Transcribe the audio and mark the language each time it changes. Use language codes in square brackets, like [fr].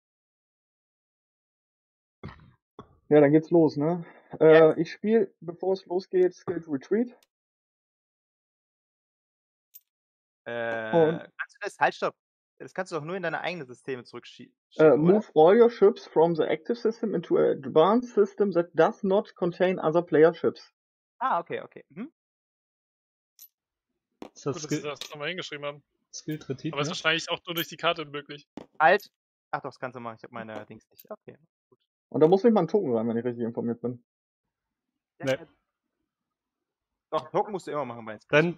[de] Okay. Ja, dann geht's los, ne? Yes. Ich spiele, bevor es losgeht, Skilled Retreat. Kannst du das, halt, stopp. Das kannst du doch nur in deine eigenen Systeme zurückschieben. [en] Move all your ships from the active system into an advanced system that does not contain other player ships. [de] Ah, okay, okay. Mhm. Das ist gut, dass wir das nochmal hingeschrieben haben. Skilled Retreat. Aber es ist wahrscheinlich auch nur durch die Karte möglich. Halt. Ach doch, das kannst du machen. Ich habe meine Dings nicht. Okay, gut. Und da muss ich mal einen Token rein, wenn ich richtig informiert bin. Nee. Doch, Token musst du immer machen, meinst du?